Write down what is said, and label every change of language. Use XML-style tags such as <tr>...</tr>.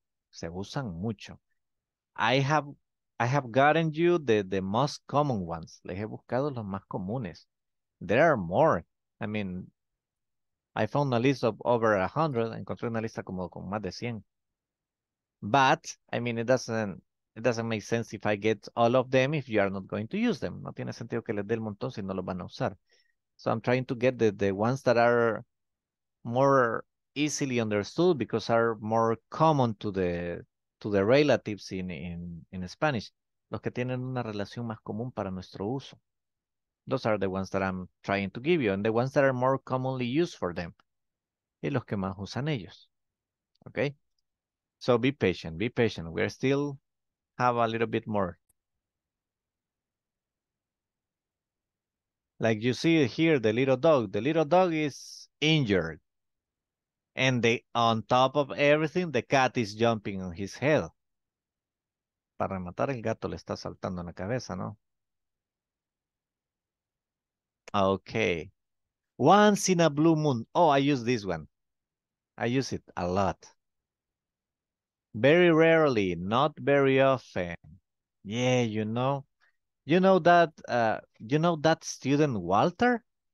<es>Se usan mucho.</es> <en>I have gotten you the most common ones.</en> <es>Les he buscado los más comunes.</es> <en>There are more. I mean, I found a list of over 100.</en> <es>Encontré una lista como con más de 100.</es> <en>But, I mean, it doesn't make sense if I get all of them if you are not going to use them.</en> <es>No tiene sentido que les dé el montón si no los van a usar.</es> <en>So I'm trying to get the ones that are more easily understood because are more common to the relatives in Spanish.</en> <es>Los que tienen una relación más común para nuestro uso.</es> <en>Those are the ones that I'm trying to give you, and the ones that are more commonly used for them.</en> <es>Y los que más usan ellos. Okay?</es> <en>So be patient. We're still have a little bit more. Like you see here, the little dog. The little dog is injured. And on top of everything, the cat is jumping on his head.</en> <es>Para rematar, el gato le está saltando en la cabeza, ¿no?</es> <en>Okay, once in a blue moon. Oh, I use this one. I use it a lot. Very rarely, not very often. Yeah, you know that student Walter?</en>